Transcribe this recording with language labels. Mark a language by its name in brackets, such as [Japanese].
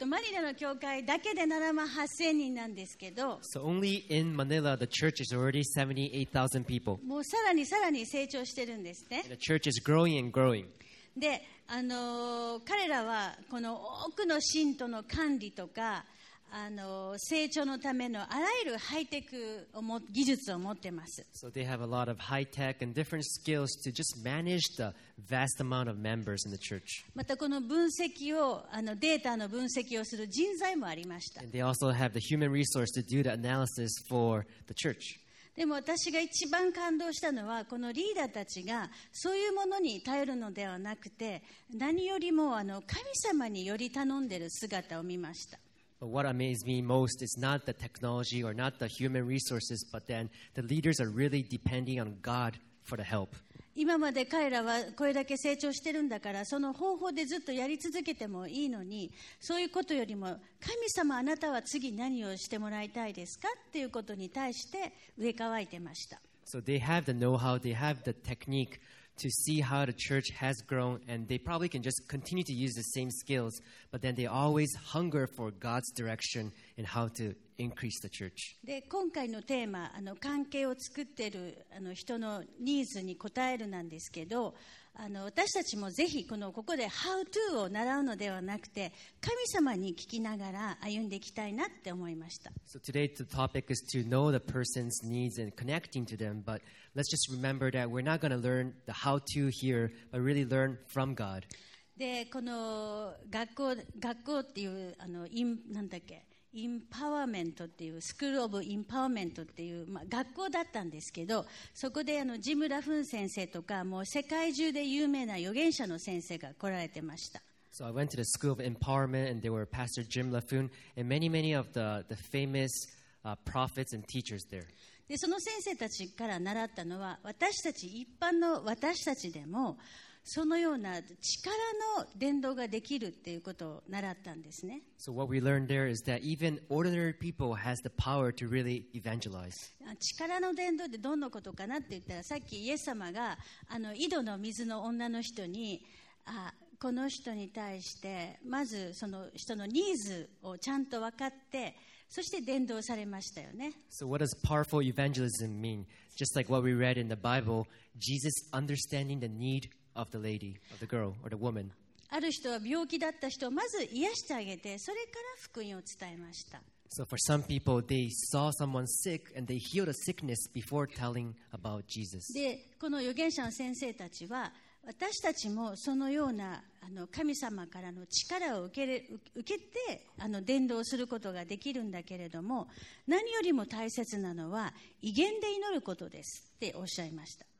[Japanese] マニラの教会だけで7万8000人なんですけど。 [English] So only in Manila, the church is already 78,000 people. [Japanese] もうさらにさらに成長してるんですね。 [English] The church is growing and growing. [Japanese] で、彼らはこの多くの信徒の管理とか、成長のためのあらゆるハイテクをも技術を持ってます。 [English] So they have a lot of high tech and different skills to just manage the vast amount of members in the church. [Japanese] またこの分析をデータの分析をする人材もありました。 [English] And they also have the human resource to do the analysis for the church. [Japanese] でも私が一番感動したのはこのリーダーたちがそういうものに頼るのではなくて何よりも神様により頼んでる姿を見ました。 [English] But what amazed me most is not the technology or not the human resources, but then the leaders are really depending on God for the help. [Japanese] 今まで彼らはこれだけ成長してるんだから、その方法でずっとやり続けてもいいのに、そういうことよりも、神様あなたは次何をしてもらいたいですかっていうことに対して植え替えてました。 [English] So they have the know-how, they have the technique to see how the church has grown, and they probably can just continue to use the same skills, but then they always hunger for God's direction in how to increase the church. [Japanese] で、今回のテーマ、関係を作ってる人のニーズに応えるなんですけど、私たちもぜひここで How to を習うのではなくて、神様に聞きながら歩んでいきたいなって思いました。 [English] So today the topic is to know the person's needs and connecting to them, but let's just remember that we're not going to learn the How to here, but really learn from God. [Japanese] で、この学校っていう、なんだっけ、インパワーメントっていうスクールオブインパワーメントっていう、まあ、学校だったんですけど、そこでジム・ラフン先生とかもう世界中で有名な預言者の先生が来られてました。 [English] So I went to the School of Empowerment and there were Pastor Jim LaFoon and many many of the famous prophets and teachers there. [Japanese] でその先生たちから習ったのは私たち一般の私たちでも。そのような力の伝道ができるっていうことを習ったんですね。 [English] So what we learned there is that even ordinary people has the power to really evangelize. [Japanese] 力の伝道ってどんなことかなって言ったら、さっきイエス様が井戸の水の女の人に、この人に対してまずその人のニーズをちゃんと分かって、そして伝道されましたよね。 [English] So what does powerful evangelism mean? Just like what we read in the Bible, Jesus understanding the needof the lady, of the girl, or the woman. [Japanese] ある人は病気だった人をまず癒してあげて、それから福音を伝えました。 [English] So for some people, they saw someone sick and they healed a sickness before telling about Jesus. [Japanese] で、この預言者の先生たちは、私たちもそのような神様からの力を受けて伝道することができるんだけれども、何よりも大切なのは異言で祈ることですっておっしゃいました。